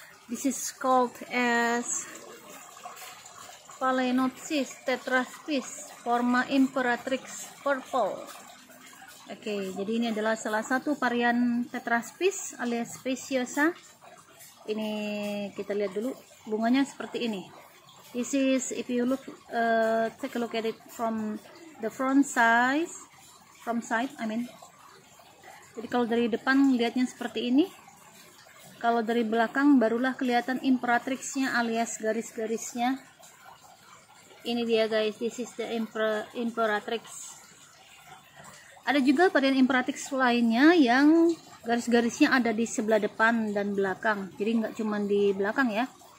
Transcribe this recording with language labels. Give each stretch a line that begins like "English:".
English: This is called as phalaenopsis tetraspis forma imperatrix purple.
Indonesian: Okay, jadi ini adalah salah satu varian tetraspis alias speciosa. Ini kita lihat dulu bunganya seperti ini.
English: This is, if you look, take a look at it from the front side, I mean.
Indonesian: Jadi kalau dari depan lihatnya seperti ini, kalau dari belakang barulah kelihatan imperatrixnya alias garis-garisnya. Ini dia guys,
English: this is the imperatrix.
Indonesian: Ada juga varian imperatrix lainnya yang garis-garisnya ada di sebelah depan dan belakang, jadi nggak cuma di belakang ya.